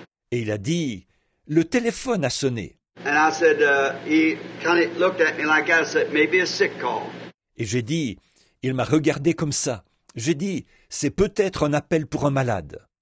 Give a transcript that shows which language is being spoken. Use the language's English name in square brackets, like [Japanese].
[French] Et il a dit, le téléphone a sonné. [English] And I said, he kind of looked at me like I said, maybe a sick call. [French] Et j'ai dit, il m'a regardé comme ça. J'ai dit, c'est peut-être un appel pour un malade.